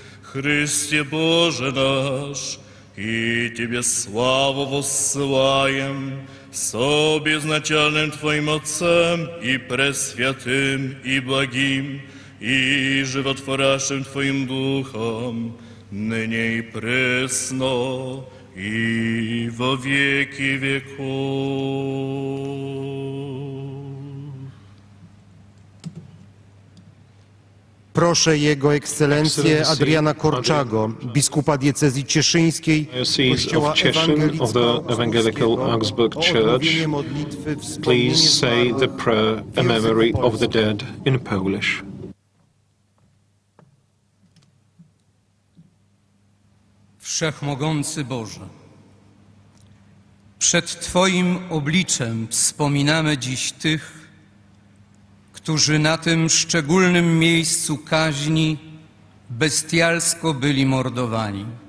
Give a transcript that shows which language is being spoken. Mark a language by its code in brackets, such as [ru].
[ru] Христе Боже наш, и Тебе славу воссылаем, со безначальным Твоим Отцем и Пресвятым и Благим, и животворящим Твоим Духом, ныне и пресно, и во веки веков. [pl] Proszę Jego Ekscelencję Adriana Korczago, biskupa diecezji cieszyńskiej, kościoła [en] of the Evangelical Augsburg Church, please say the prayer in memory of the dead in Polish. [pl] Wszechmogący Boże, przed Twoim obliczem wspominamy dziś tych, którzy na tym szczególnym miejscu kaźni bestialsko byli mordowani.